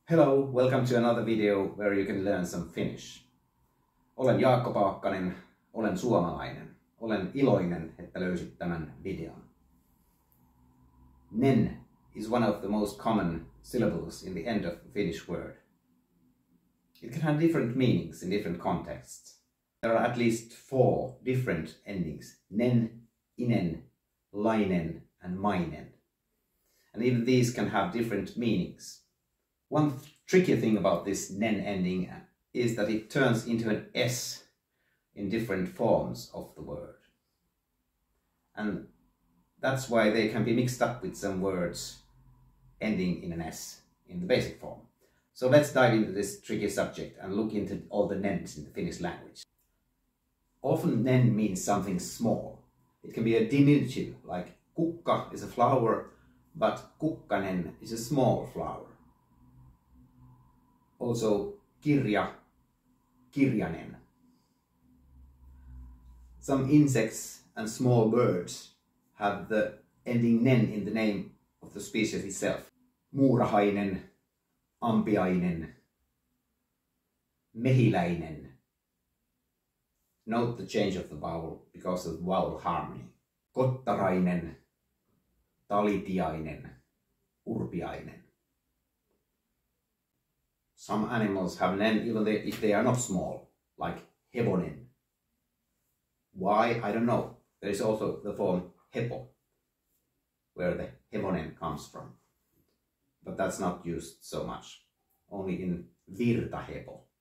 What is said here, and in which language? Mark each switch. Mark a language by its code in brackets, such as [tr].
[en] Hello, welcome to another video where you can learn some Finnish. [fi] Olen Jaakko Paakkanen, olen suomalainen. Olen iloinen, että löysit tämän videon. [en] NEN is one of the most common syllables in the end of the Finnish word. It can have different meanings in different contexts. There are at least four different endings. NEN, inen, lainen and mainen. And even these can have different meanings. One tricky thing about this NEN ending is that it turns into an S in different forms of the word. And that's why they can be mixed up with some words ending in an S in the basic form. So let's dive into this tricky subject and look into all the NENs in the Finnish language. Often NEN means something small. It can be a diminutive, like kukka is a flower, but kukkanen is a small flower. Also, kirja, kirjanen. Some insects and small birds have the ending nen in the name of the species itself. [fi] Muurahainen, ampiainen, mehiläinen. [en] Note the change of the vowel because of vowel harmony. Kottarainen, talitiainen, urpiainen. Some animals have NEN even if they are not small, like hevonen. Why? I don't know. There is also the form hepo, where the hevonen comes from. But that's not used so much, only in virtahepo.